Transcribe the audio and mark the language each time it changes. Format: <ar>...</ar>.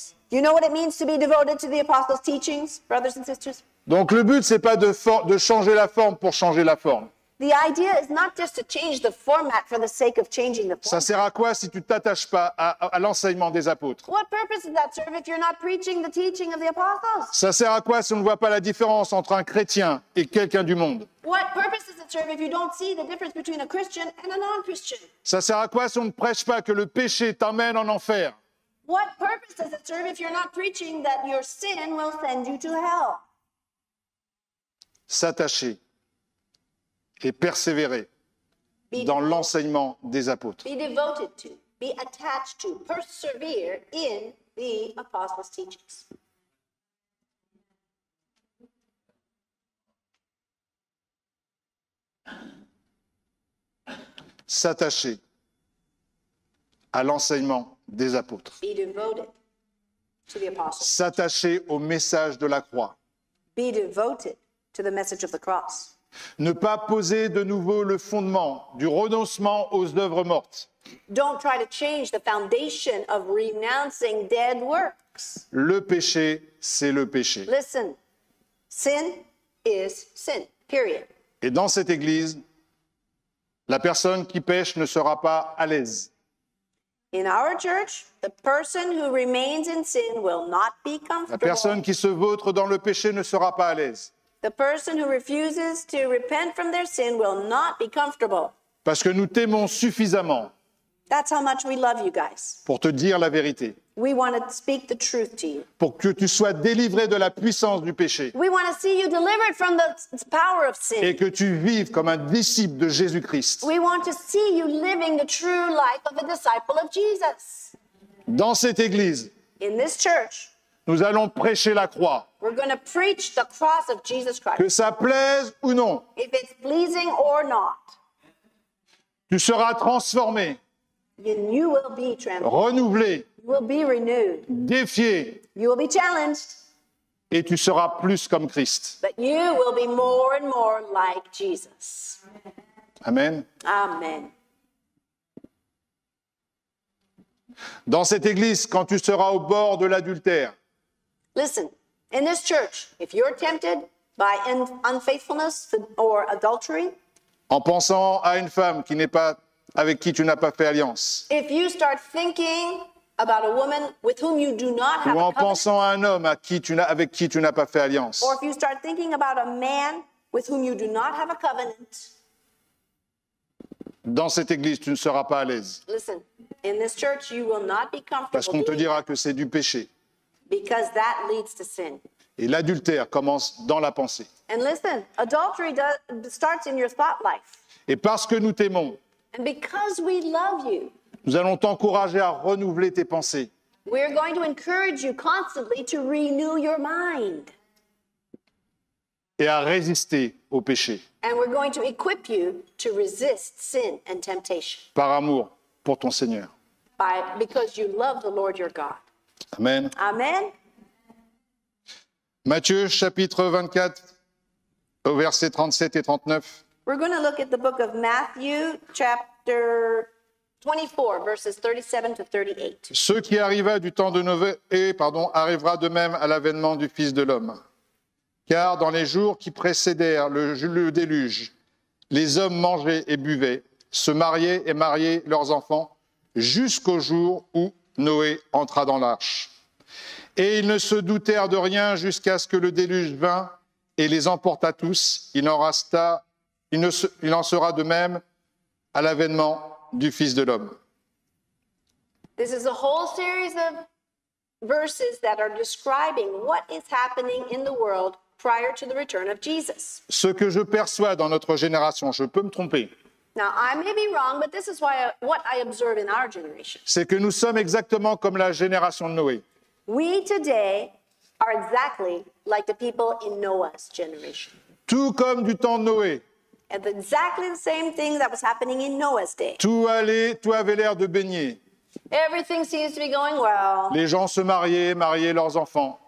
<en>Do you know what it means to be devoted to the apostles' teachings, brothers and sisters?</en> <fr>Donc le but c'est pas de changer la forme pour changer la forme.</fr> <en>The idea is not just to change the format for the sake of changing the format.</en> <fr>Ça sert à quoi si tu t'attaches pas à l'enseignement des apôtres?</fr> <en>What purpose does that serve if you're not preaching the teaching of the apostles?</en> <fr>Ça sert à quoi si on ne voit pas la différence entre un chrétien et quelqu'un du monde?</fr> <en>What purpose does it serve if you don't see the difference between a Christian and a non-Christian?</en> <fr>Ça sert à quoi si on ne prêche pas que le péché t'emmène en enfer?</fr> <en>What purpose does it serve if you're not preaching that your sin will send you to hell?</en> <fr>S'attacher et persévérer dans l'enseignement des apôtres.</fr> <en>Be devoted to, be attached to, persevere in the apostles' teachings.</en> <fr>S'attacher à l'enseignement des apôtres.</fr> <en>Be devoted to the apostles.</en> <fr>S'attacher au message de la croix.</fr> <en>Be devoted to the message of the cross.</en> <fr>Ne pas poser de nouveau le fondement du renoncement aux œuvres mortes.</fr> <en>Don't try to change the foundation of renouncing dead works.</en> <fr>Le péché, c'est le péché.</fr> <en>Listen, sin is sin, period.</en> <fr>Et dans cette église, la personne qui pêche ne sera pas à l'aise.</fr> <en>In our church, the person who remains in sin will not be comfortable.</en> <fr>La personne qui se vautre dans le péché ne sera pas à l'aise.</fr> <en>The person who refuses to repent from their sin will not be comfortable.</en> <fr>Parce que nous t'aimons suffisamment.</fr> <en>That's how much we love you guys.</en> <fr>Pour te dire la vérité.</fr> <en>We want to speak the truth to you.</en> <fr>Pour que tu sois délivré de la puissance du péché.</fr> <en>We want to see you delivered from the power of sin.</en> <fr>Et que tu vives comme un disciple de Jésus-Christ.</fr> <en>We want to see you living the true life of a disciple of Jesus.</en> <fr>Dans cette église.</fr> <en>In this church.</en> <fr>Nous allons prêcher la croix.</fr> <en>We're going to preach the cross of Jesus Christ.</en> <fr>Que ça plaise ou non.</fr> <en>If it's pleasing or not.</en> <fr>Tu seras transformé.</fr> <en>And you will be transformed.</en> <fr>Renouvelé.</fr> <en>You will be renewed.</en> <fr>Défié.</fr> <en>You will be challenged.</en> <fr>Et tu seras plus comme Christ.</fr> <en>But you will be more and more like Jesus.</en> <fr>Amen.</fr> <en>Amen.</en> <fr>Dans cette église, quand tu seras au bord de l'adultère.</fr> <en>Listen, in this church, if you're tempted by unfaithfulness or adultery.</en> <fr>En pensant à une femme qui n'est pas avec qui tu n'as pas fait alliance.</fr> <en>If you start thinking about a woman with whom you do not have a covenant.</en> <fr>Ou en pensant à un homme avec qui tu n'as pas fait alliance.</fr> <en>Or if you start thinking about a man with whom you do not have a covenant.</en> <fr>Dans cette église, tu ne seras pas à l'aise.</fr> <en>Listen, in this church, you will not be comfortable.</en> <fr>Parce qu'on te dira que c'est du péché.</fr> <en>Because that leads to sin.</en> <fr>Et l'adultère commence dans la pensée.</fr> <en>And listen, adultery starts in your thought life.</en> <fr>Et parce que nous t'aimons.</fr> <en>And because we love you.</en> <fr>Nous allons t'encourager à renouveler tes pensées.</fr> <en>We're going to encourage you constantly to renew your mind.</en> <fr>Et à résister au péché.</fr> <en>And we're going to equip you to resist sin and temptation.</en> <fr>Par amour pour ton Seigneur.</fr> <en>Because you love the Lord your God.</en> <fr>Amen.</fr> <en>Amen.</en> <fr>Matthieu chapitre 24 au verset 37 et 39.</fr> <en>We're going to look at the book of Matthew chapter 24, verses 37 to 38.</en> <fr>Ce qui arriva du temps de Noé, arrivera de même à l'avènement du Fils de l'homme. Car dans les jours qui précédèrent le déluge, les hommes mangeaient et buvaient, se mariaient et mariaient leurs enfants, jusqu'au jour où Noé entra dans l'arche. Et ils ne se doutèrent de rien jusqu'à ce que le déluge vînt et les emporta tous. Il en sera de même à l'avènement du Fils de l'homme.</fr> <en>This is a whole series of verses that are describing what is happening in the world prior to the return of Jesus.</en> <fr>Ce que je perçois dans notre génération, je peux me tromper.</fr> <en>Now, I may be wrong, but this is why what I observe in our generation.</en> <fr>C'est que nous sommes exactement comme la génération de Noé.</fr> <en>We today are exactly like the people in Noah's generation.</en> <fr>Tout comme du temps de Noé.</fr> <en>And exactly the same thing that was happening in Noah's day.</en> <fr>Tout avait l'air de baigner.</fr> <en>Everything seems to be going well.</en> <fr>Les gens se mariaient leurs enfants.</fr>